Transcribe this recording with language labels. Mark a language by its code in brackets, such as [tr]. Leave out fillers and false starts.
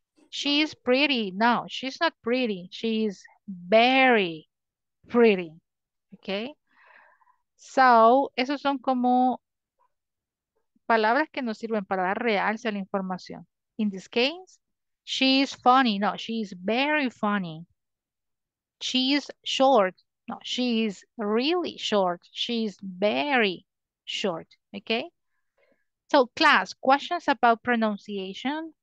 [en] She's pretty, no, she's not pretty, she's very pretty, okay? [es] So, esos son como palabras que nos sirven para dar realce a la información. [en] In this case, she's funny, no, she's very funny. She's short. No, she is really short. She is very short. Okay? So, class, questions about pronunciation?